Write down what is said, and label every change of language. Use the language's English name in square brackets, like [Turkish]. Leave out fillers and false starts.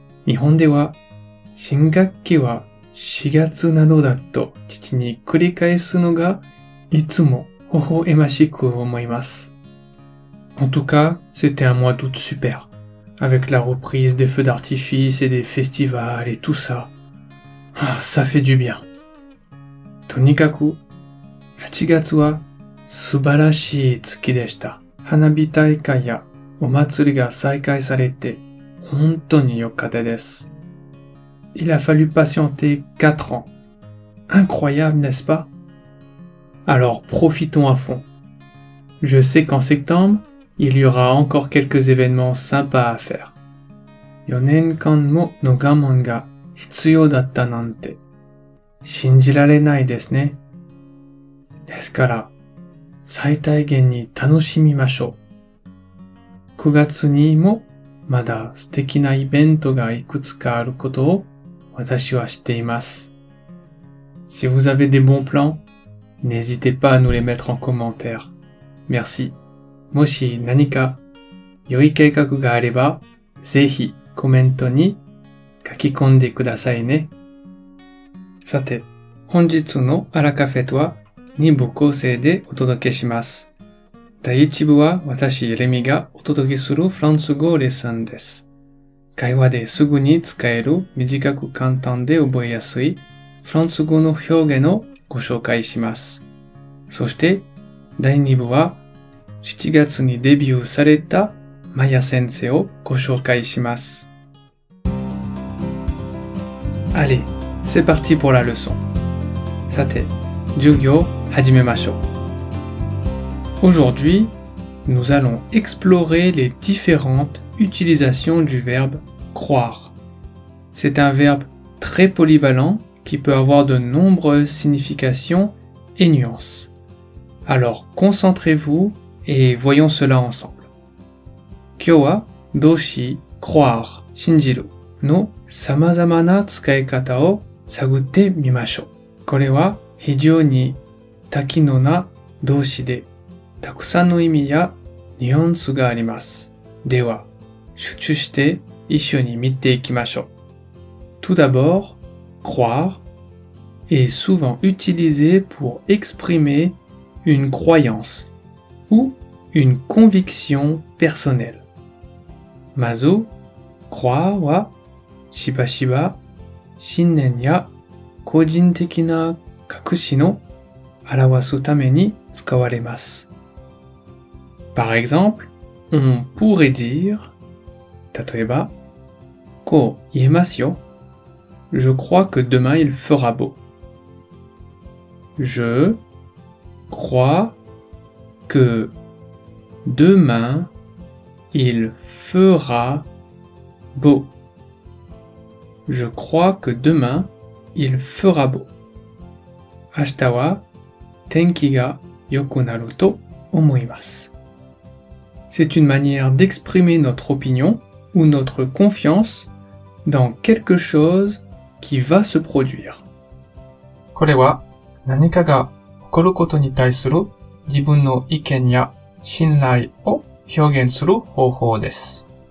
[Japanese] Nihon de wa, shingakki wa, 4月なのだと、父に繰り返すのが、いつも、微笑ましく思います。 [French] En tout cas, c'était un mois d'août super, avec la reprise des feux d'artifice et des festivals et tout ça. Ah, ça fait du bien. [Japanese] とにかく、8月は、素晴らしい月でした。花火大会やお祭りが再開されて、本当に良かったです。 [French] Il a fallu patienter 4 ans. Incroyable, n'est-ce pas? Alors, profitons à fond. Je sais qu'en septembre, il y aura encore quelques événements sympas à faire. [Japanese] 4年間もの我慢が必要だったなんて、信じられないですね。ですから、最大限に楽しみましょう。 9月にもまだ素敵なイベントがいくつかあることを私は知っています。 [French] Si vous avez des bons plans, n'hésitez pas à nous les mettre en commentaire. Merci. [Japanese] もし何か良い計画があれば、ぜひコメントに書き込んでくださいね。さて、本日のアラカフェとは2部構成でお届けします。第1部は私、レミがお届けするフランス語レッスンです。会話ですぐに使える短く簡単で覚えやすいフランス語の表現をご紹介します。そして第2部は7月にデビューされたマヤ先生をご紹介します。 [French] Allez, c'est parti pour la leçon. [Japanese] さて、授業を始めましょう。 [French] Aujourd'hui, nous allons explorer les différentes utilisations du verbe croire. C'est un verbe très polyvalent qui peut avoir de nombreuses significations et nuances. Alors concentrez-vous et voyons cela ensemble. [Japanese] 今日は動詞 croire, 信じるの様々な使い方を探ってみましょう。これは非常に多機能な動詞でたくさんの意味やニュアンスがあります。では集中して一緒に見ていきましょう。 [French] Tout d'abord, croire est souvent utilisé pour exprimer une croyance ou une conviction personnelle. [Japanese] まず、croire はしばしば信念や個人的な確信を表すために使われます。 [French] Par exemple, on pourrait dire, [Japanese] 例えば、こう言えますよ。 [French] Je crois que demain il fera beau. Je crois que demain il fera beau. Je crois que demain il fera beau. [Japanese] 明日は天気が良くなると思います。 [French] C'est une manière d'exprimer notre opinion ou notre confiance dans quelque chose qui va se produire. [Japanese] これは何かが起こることに対する自分の意見や信頼を表現する方法です。